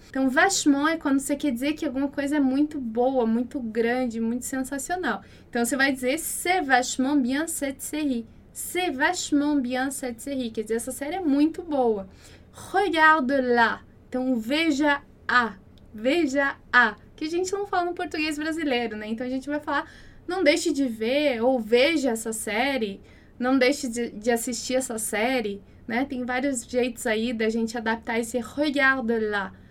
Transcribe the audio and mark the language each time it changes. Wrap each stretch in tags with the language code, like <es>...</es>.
<pt>Então, vachement é quando você quer dizer que alguma coisa é muito boa, muito grande, muito sensacional. Então, você vai dizer</pt> <fr>c'est vachement bien cette série. C'est vachement bien cette série.</fr> <pt>Quer dizer, essa série é muito boa.</pt> <fr>Regarde là.</fr> <pt>Então, veja a. Veja a. Que a gente não fala no português brasileiro, né? Então, a gente vai falar, não deixe de ver ou veja essa série. Não deixe de assistir essa série, né? Tem vários jeitos aí da gente adaptar esse regarde là.</pt>